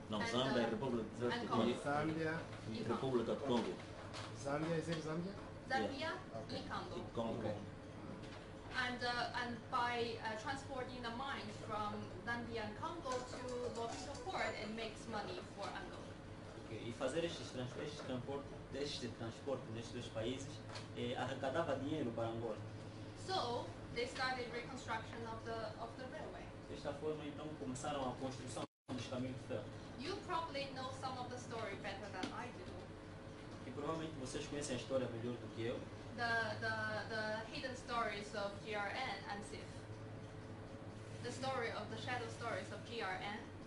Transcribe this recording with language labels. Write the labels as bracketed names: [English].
[Portuguese] Zâmbia é a República do Congo. República do Congo. [English] Zâmbia, is it Zâmbia? Zâmbia, yeah. Okay. Congo. Okay. And by transporting the mines from Zâmbia and Congo to Lobito Port, it makes money for Angola. [Portuguese] Okay. E fazer este transporte nestes dois países arrecadava dinheiro para Angola. [English] So, they started reconstruction of the railway. [Portuguese] Desta forma, então, começaram a construção dos caminhos de ferro. [English] You probably know some of the story better than I do. [Portuguese] E provavelmente vocês conhecem a história melhor do que eu. [English] The hidden stories of GRN and CIF. The story of the shadow stories of GRN.